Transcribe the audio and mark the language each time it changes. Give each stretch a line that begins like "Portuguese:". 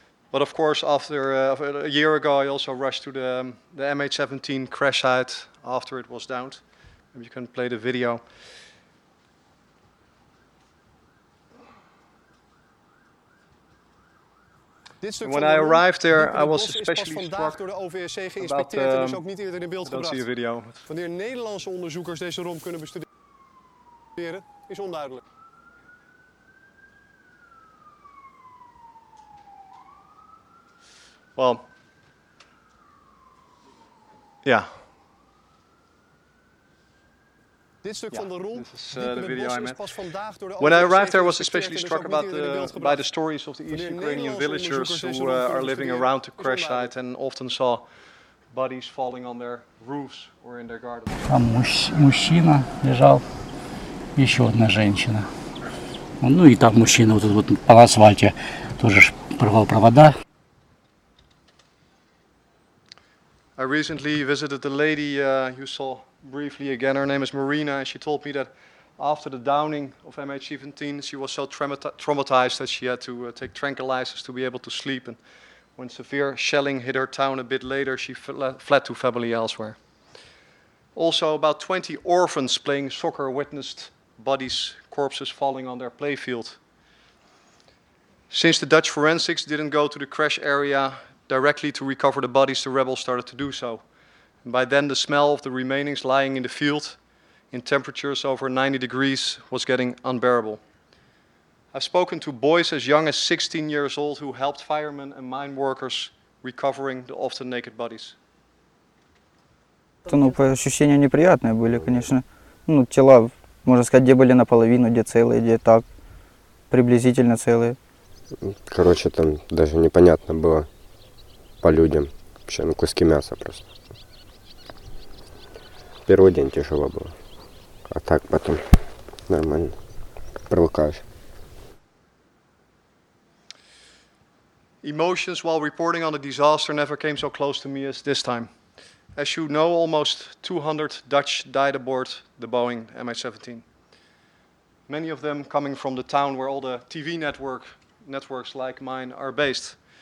English: But of course, after a year ago, I also rushed to the MH17 crash site after it was downed. Maybe you can play the video. And when I arrived there, I was especially struck about, I don't see a video.
Dutch: Wanneer Nederlandse onderzoekers deze romp kunnen bestuderen, is onduidelijk.
English: Well, yeah.
Dutch: Dit stuk van de romp,
English: the video I met. When I arrived there, I was especially struck about by the stories of the East Ukrainian villagers who are living around the crash site and often saw bodies falling on their roofs or in their gardens.
Russian: Там мужчина лежал, ещё одна женщина. Ну и так мужчина вот вот по асфальту тоже порвал провода.
English: I recently visited the lady you saw briefly again. Her name is Marina, and she told me that after the downing of MH17, she was so traumatized that she had to take tranquilizers to be able to sleep. And when severe shelling hit her town a bit later, she fled to family elsewhere. Also, about 20 orphans playing soccer witnessed bodies, corpses falling on their playfield. Since the Dutch forensics didn't go to the crash area directly to recover the bodies, the rebels started to do so. By then, the smell of the remainings lying in the field in temperatures over 90 degrees was getting unbearable. I've spoken to boys as young as 16 years old who helped firemen and mine workers recovering the often naked bodies.
Russian: Ну, ощущения неприятные были, конечно. Ну, тела, можно сказать, где были наполовину, где целые, где так приблизительно целые. Короче, там даже непонятно было по людям. Вообще, ну, куски мяса просто. Первый день тяжело было, а так потом нормально, привыкаешь.
English: emotions while reporting on the disaster never came so close to me as this time. As you know, almost 200 Dutch died aboard the Boeing MH17. Many of them coming from the town where all the TV networks like mine are based.